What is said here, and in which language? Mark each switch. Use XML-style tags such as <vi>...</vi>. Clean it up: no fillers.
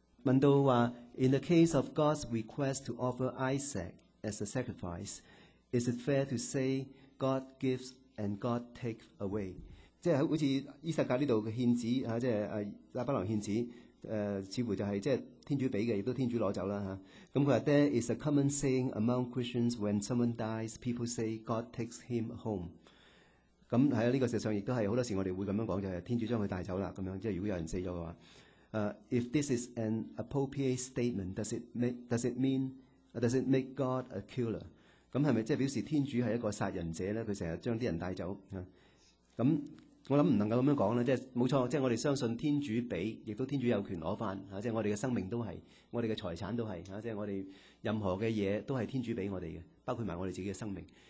<yue>問到話</yue> <en>，In the case of God's request to offer Isaac as a sacrifice, is it fair to say God gives and God takes away？</en> <yue>即係好似以撒格呢度嘅獻子嚇，即係亞伯郎獻子。似乎就是即係天主俾嘅，亦都天主攞走啦嚇。咁佢話</yue> <en>：There is a common saying among Christians when someone dies, people say God takes him home。</en> <yue>咁喺呢個事實上，亦都係好多時我哋會咁樣講，就係、是、天主將佢帶走啦。咁樣即係如果有人死咗嘅話，</yue> <en>if this is an appropriate statement, does it make God a killer？</en> <yue>咁係咪即係表示天主係一個殺人者咧？佢成日將啲人帶走嚇。咁、我想不能够咁样讲啦，即系冇错，即系我哋相信天主俾，亦都天主有权攞翻吓，即系我哋嘅生命都系，我哋嘅财产都系吓，即系我哋任何嘅嘢都系天主俾我哋嘅，包括埋我哋自己嘅生命。</yue>